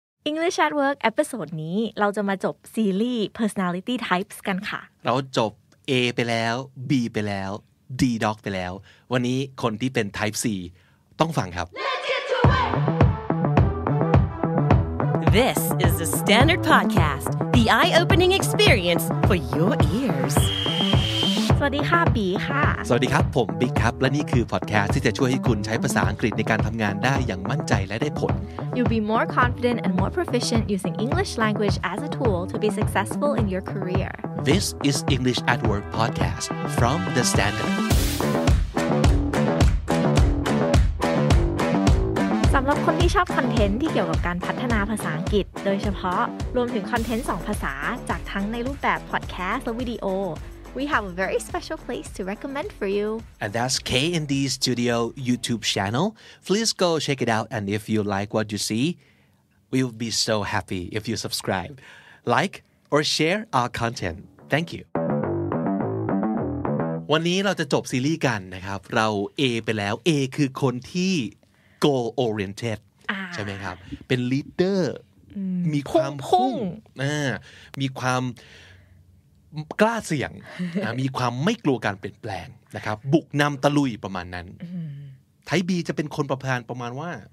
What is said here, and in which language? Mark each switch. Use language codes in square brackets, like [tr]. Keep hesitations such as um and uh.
[th] English at Work เอพิโซดนี้เราจะมาจบซีรีส์ Personality Types กันค่ะ เราจบ A ไปแล้ว B ไปแล้ว D Dog ไปแล้ว วันนี้คนที่เป็น Type C ต้องฟังครับ [en] This is the Standard Podcast the eye-opening experience for your ears. [th] วัสดีค่ะปีค่ะ สวัสดีครับผมบิ๊กครับและนี่คือพอดแคสต์ที่จะช่วยให้คุณใช้ภาษาอังกฤษในการทำงานได้อย่างมั่นใจและได้ผล [en] You'll be more confident and more proficient using English language as a tool to be successful in your career This is English at Work podcast from the Standard [th] สำหรับคนที่ชอบคอนเทนต์ที่เกี่ยวกับการพัฒนาภาษาอังกฤษ โดยเฉพาะรวมถึงคอนเทนต์ 2 ภาษา จากทั้งในรูปแบบพอดแคสต์และวิดีโอ [en] we have a very special place to recommend for you. And that's KND Studio YouTube channel. Please go check it out. And if you like what you see, we would be so happy if you subscribe, like, or share our content. Thank you. [th] วันนี้เราจะจบซีรีส์กันนะครับเรา A ไปแล้ว A คือคนที่ goal oriented ใช่ไหมครับเป็น leader มีความพุ่งมีความ,ม,วามกล้าเสี่ยงมีความไม่กลัวการเปลี่ยนแปลงนะครับบุกนําตะลุยประมาณนั้นไทบีจะเป็นคนประพานประมาณว่า